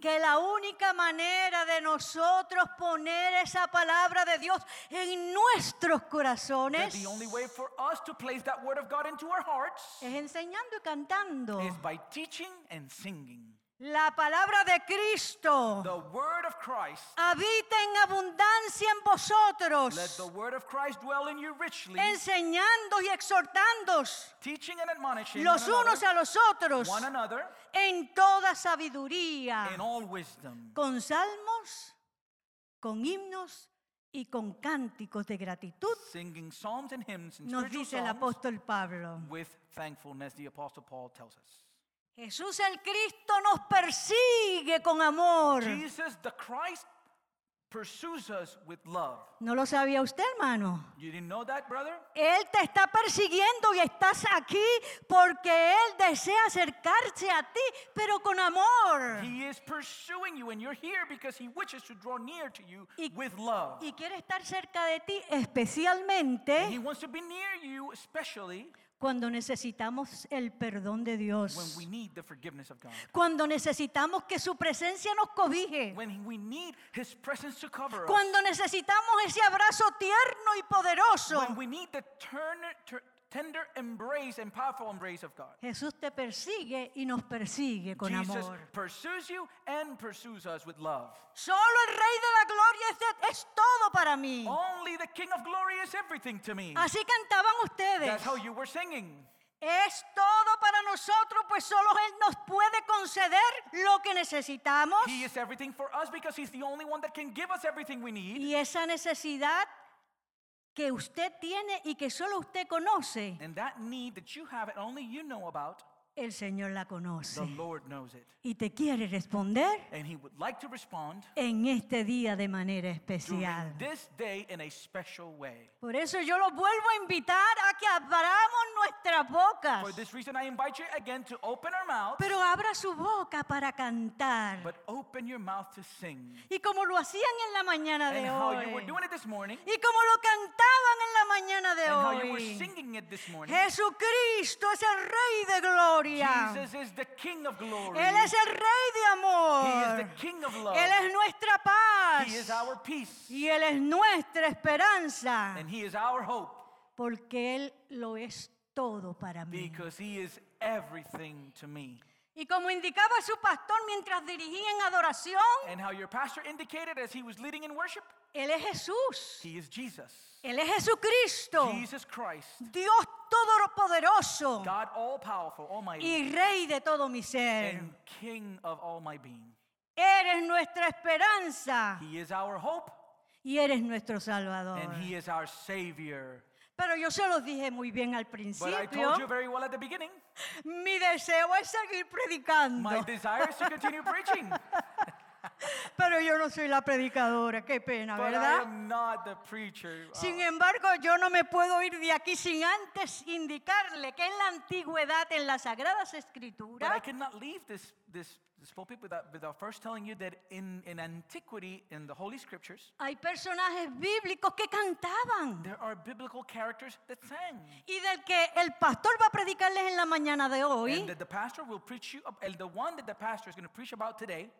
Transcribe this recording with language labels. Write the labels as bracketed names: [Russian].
[Spanish] que la única manera de nosotros poner esa palabra de Dios en nuestros corazones [English] the only way for us to place that word of God into our hearts [Spanish] es enseñando y cantando [English] is by teaching and singing. [Spanish] La palabra de Cristo [English] the word of Christ, [Spanish] habita en abundancia en vosotros [English] let the word of Christ dwell in you richly, [Spanish] enseñando y exhortándoos [English] teaching and admonishing [Spanish] los unos [English] another, [Spanish] a los otros [English] one another, [Spanish] en toda sabiduría [English] in all wisdom, [Spanish] con salmos, con himnos y con cánticos de gratitud [English] singing psalms and hymns and spiritual [Spanish] nos dice [English] psalms, [Spanish] el apóstol Pablo [English] with thankfulness the apostle Paul tells us. [Spanish] Jesús el Cristo nos persigue con amor. [English] Jesus the Christ pursues us with love. [Spanish] ¿No lo sabía usted, hermano? [English] You didn't know that, brother? [Spanish] Él te está persiguiendo y estás aquí porque Él desea acercarse a ti, pero con amor. [English] He is pursuing you and you're here because He wishes to draw near to you with love. [Spanish] Y quiere estar cerca de ti especialmente. [English] And he wants to be near you especially. [Spanish] Cuando necesitamos el perdón de Dios. [English] When we need the forgiveness of God. [Spanish] Cuando necesitamos que su presencia nos cobije. [English] When we need his presence to cover us. [Spanish] Cuando necesitamos ese abrazo tierno y poderoso. [English] When we need the tender embrace and powerful embrace of God. [Spanish] Jesús te persigue y nos persigue con [English] Jesus [Spanish] amor. [English] Jesus pursues you and pursues us with love. [Spanish] Solo el Rey de la Gloria es todo para mí. [English] Only the King of Glory is everything to me. [Spanish] Así cantaban ustedes. [English] That's how you were singing. [Spanish] Es todo para nosotros, pues solo Él nos puede conceder lo que necesitamos. [English] He is everything for us because He's the only one that can give us everything we need. [Spanish] Y esa necesidad que usted tiene y que solo usted conoce. [English] And that need that you have and only you know about. [Spanish] El Señor la conoce. [English] The Lord knows it. [Spanish] Y te quiere responder. [English] And he would like to respond. [Spanish] En este día de manera especial. [English] During this day in a special way. [Spanish] Por eso yo lo vuelvo a invitar a que abramos nuestras bocas. [English] For this reason I invite you again to open our mouths. [Spanish] Pero abra su boca para cantar. [English] But open your mouth to sing. [Spanish] Y como lo hacían en la mañana de hoy. [English] And how you were doing it this morning. [Spanish] Y como lo cantaban en la mañana de hoy. [English] And how you were singing it this morning. [Spanish] Jesucristo es el Rey de Gloria. [English] Jesus is the King of Glory. [Spanish] Él es el Rey de amor. [English] He is the King of Love. [Spanish] Él es nuestra paz. [English] He is our peace. [Spanish] Y Él es nuestra esperanza. [English] And He is our hope. [Spanish] Porque Él lo es todo para mí. [English] Because He is everything to me. [Spanish] Y como indicaba su pastor mientras dirigía en adoración. [English] And how your pastor indicated as he was leading in worship. [Spanish] Él es Jesús. [English] He is Jesus. [Spanish] Él es Jesucristo. [English] Jesus Christ. [Spanish] Dios Todopoderoso. [English] God all powerful, almighty. [Spanish] Y Rey de todo mi ser. [English] And King of all my being. [Spanish] Eres nuestra esperanza. [English] He is our hope. [Spanish] Y eres nuestro Salvador. [English] And he is our Savior. [Spanish] Pero yo se los dije muy bien al principio. [English] But I told you very well at the beginning. [Spanish] Mi deseo es seguir predicando. [English] My desire is to continue preaching. [Spanish] Pero yo no soy la predicadora, qué pena, [English] but [Spanish] ¿verdad? [English] I am not the preacher. [Spanish] Sin embargo, yo no me puedo ir de aquí sin antes indicarle que en la antigüedad, en las Sagradas Escrituras. [English] But I cannot leave this pulpit without first telling you that in antiquity, in the Holy Scriptures, [Spanish] hay personajes bíblicos que cantaban. [English] There are biblical characters that sang. [Spanish] Y del que el pastor va a predicarles en la mañana de hoy. [English] And that the pastor will preach you, the one that the pastor is going to preach about today.